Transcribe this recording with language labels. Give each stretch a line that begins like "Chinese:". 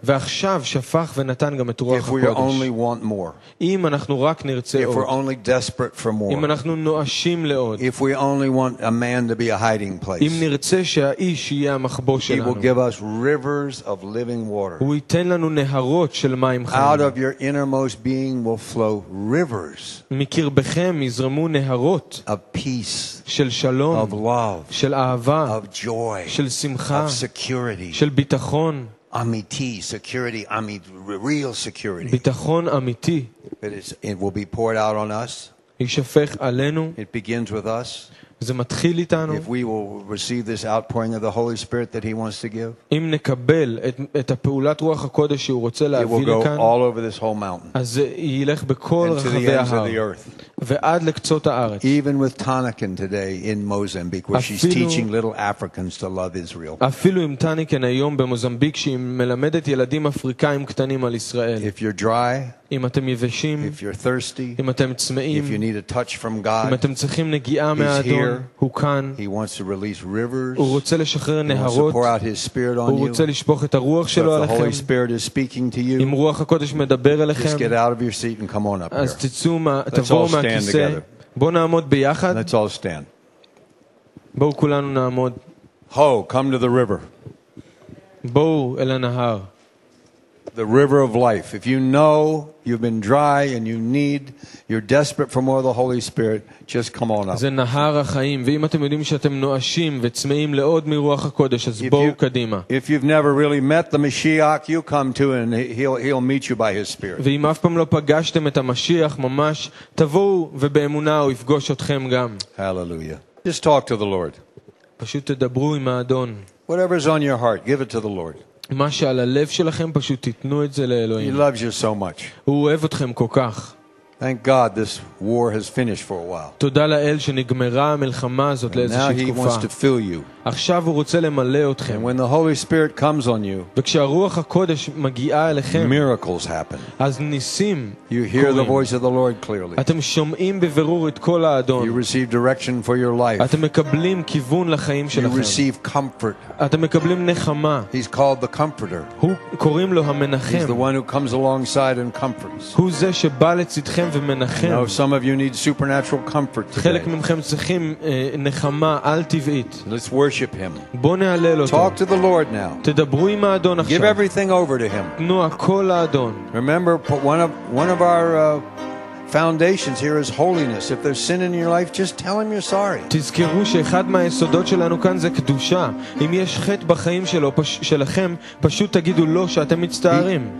Hebrew: ועכשיו שפך ונתן גם את רוח הקודש.
English: If we only want more.
Hebrew: אם אנחנו רק נרצה עוד.
English: If we're only desperate for more.
Hebrew: אם אנחנו נואשים לעוד.
English: If we only want a man to be a hiding place.
Hebrew: אם נרצה שהאיש יהיה המחבוא שלנו.
English: He will give us rivers of living water.
Hebrew: הוא ייתן לנו נהרות של מים חיים.
English: Out of your innermost being will flow rivers.
Hebrew: מקרבכם יזרמו נהרות.
English: Of peace.
Hebrew: של שלום.
English: Of love,
Hebrew: של אהבה,
English: of joy,
Hebrew: של שמחה,
English: of security,
Hebrew: של ביטחון,
English: amiti, security, amid real security,
Hebrew: ביטחון אמיתי.
English: It will be poured out on us.
Hebrew: ישפך עלינו.
English: It begins with us.
Hebrew: זה מתחיל איתנו.
English: If we will receive this outpouring of the Holy Spirit that he wants to give.
Hebrew: אם נקבל את הפעולת רוח הקודש שהוא רוצה להביא לכאן.
English: All over this whole mountain.
Hebrew: אז ילך בכל רחבי ההר. ועד לקצות הארץ.
English: Even with Tanakin today in Mozambique where she's teaching little Africans to love Israel.
Hebrew: אפילו עם טניקן היום במוזמביק שהיא מלמדת ילדים אפריקאים קטנים על ישראל.
English: If you're dry,
Hebrew: אם אתם יבשים,
English: if you're thirsty,
Hebrew: אם אתם צמאים,
English: if you need a touch from God,
Hebrew: אם אתם צריכים נגיעה מהאדון, הוא כאן.
English: He wants to release rivers.
Hebrew: הוא רוצה לשחרר נהרות.
English: He wants to pour out his spirit on you.
Hebrew: הוא רוצה לשפוך את הרוח שלו עליכם.
English: The Holy Spirit is speaking to you.
Hebrew: אם רוח הקודש מדבר אליכם,
English: just get out of your seat and come on up here.
Hebrew: אז תצאו, תבואו מהכיסא. בואו נעמוד ביחד.
English: Let's all stand.
Hebrew: בואו כולנו נעמוד.
English: Ho, come to the river.
Hebrew: בואו אל הנהר.
English: The river of life. If you know you've been dry and you need, you're desperate for more of the Holy Spirit, just come on up.
Hebrew: זה נהר החיים, ואם אתם יודעים שאתם נואשים וצמאים לעוד מרוח הקודש, אז בואו קדימה.
English: If you've never really met the Mashiach, you come to him and he'll meet you by his spirit.
Hebrew: ואם אף פעם לא פגשתם את המשיח ממש, תבואו ובאמונה הוא יפגוש אתכם גם.
English: Hallelujah. Just talk to the Lord.
Hebrew: פשוט תדברו עם האדון.
English: Whatever is on your heart, give it to the Lord.
Hebrew: מה שעל הלב שלכם פשוט תתנו את זה לאלוהים.
English: He loves you so much.
Hebrew: הוא אוהב אתכם כל כך.
English: Thank God this war has finished for a while.
Hebrew: תודה לאל שנגמרה המלחמה הזאת לאיזושהי תקופה.
English: And now he wants to fill you.
Hebrew: עכשיו הוא רוצה למלא אתכם.
English: And when the Holy Spirit comes on you,
Hebrew: וכשהרוח הקודש מגיעה אליכם,
English: miracles happen.
Hebrew: אז ניסים.
English: You hear the voice of the Lord clearly.
Hebrew: אתם שומעים בבירור את קול האדון.
English: You receive direction for your life.
Hebrew: אתם מקבלים כיוון לחיים שלכם.
English: You receive comfort.
Hebrew: אתם מקבלים נחמה.
English: He's called the Comforter.
Hebrew: הוא קוראים לו המנחם.
English: He's the one who comes alongside and comforts.
Hebrew: הוא זה שבא לצדכם ומנחם.
English: Now some of you need supernatural comfort today.
Hebrew: חלק ממכם צריכים נחמה על טבעית.
English: Worship him. Talk to the Lord now.
Hebrew: תדברו עם האדון עכשיו.
English: Give everything over to him.
Hebrew: תנו הכל לאדון.
English: Remember one of our foundations here is holiness. If there's sin in your life, just tell him you're sorry.
Hebrew: תזכרו שאחד מהיסודות שלנו כאן זה קדושה. אם יש חטא בחיים שלכם, פשוט תגידו לו שאתם מצטערים.